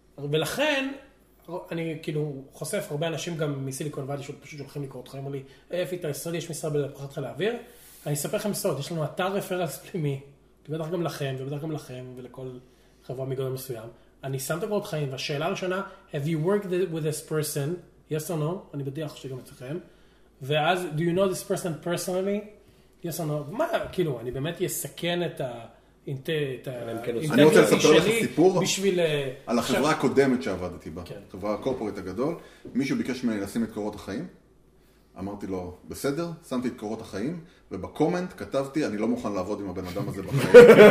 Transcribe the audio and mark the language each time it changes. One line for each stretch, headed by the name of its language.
Hebrew: ולכן, אני כאילו חושף הרבה אנשים גם מסיליקון ואדי שעוד פשוט הולכים לקרוא אותך, אמרו לי, איפה איתה, ישראל יש משרה בפחת חיל האוויר? אני אספר לכם סוד, יש לנו אתר רפרנס פנימי, בטח גם לכם, ובטח גם לכם, ולכל חברה מגודל מסוים. אני שם את הקורות חיים, והשאלה הראשונה,
English: have you worked with this person? Yes or no?
Hebrew: אני בדיח שגם אצלכם. ואז,
English: do you know this person personally? Yes or no?
Hebrew: מה, כאילו, אני באמת יסכן את אני רוצה לספר לך סיפור על החברה הקודמת שעבדתי בה, חברה הקורפורט הגדול. מישהו ביקש ממני לשים את קורות החיים, אמרתי לו, בסדר, שמתי את קורות החיים, ובקומנט כתבתי, אני לא מוכן לעבוד עם הבן אדם הזה בחיים.